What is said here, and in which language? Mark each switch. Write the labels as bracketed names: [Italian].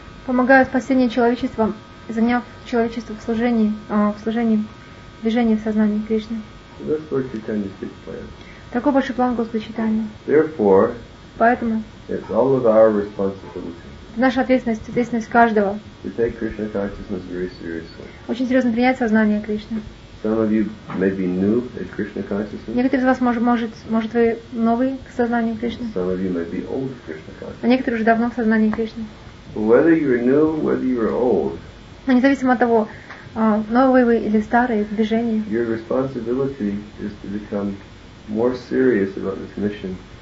[Russian] Помогая спасению человечества, заняв человечество в служении движения в сознании Кришны. [English] That's Lord Chaitanya's big plan. [Russian] Такой большой план Господа Чайтаньи. [English] Therefore, [Russian] поэтому [English] it's all of our responsibility. [Russian] Наша ответственность, ответственность каждого. [English] To take Krishna consciousness very seriously. [Russian] Очень серьезно принять сознание Кришны. [English] Some of you may be new at Krishna consciousness. [Russian] Некоторые из вас может вы новые к сознанию Кришны. [English] Some of you may be old at Krishna consciousness. [Russian] А некоторые уже давно в сознании Кришны. [English] Whether you're new, whether you're old. [Russian] Но независимо от того, новый вы или старый в движении. [English] Your responsibility is to become more serious about this mission.